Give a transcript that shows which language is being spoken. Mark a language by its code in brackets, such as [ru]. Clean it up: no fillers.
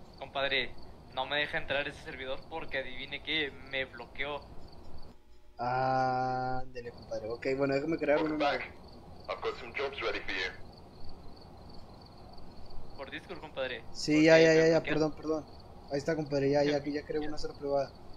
[es] Compadre, no me deja entrar ese servidor porque adivine qué, me bloqueó. Ándele, compadre. Ok, bueno, déjame crear uno. [en] I've got some jobs ready for you. [es] Por Discord, compadre. Sí, okay, ya, perdón. Ahí está, compadre, ya, aquí ya creé una sala privada.